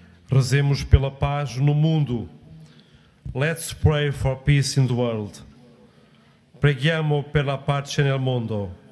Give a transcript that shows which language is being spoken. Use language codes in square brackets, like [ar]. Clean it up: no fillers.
[pt] Rezemos pela paz no mundo. [en] Let's pray for peace in the world. [it] Preghiamo per la pace nel mondo.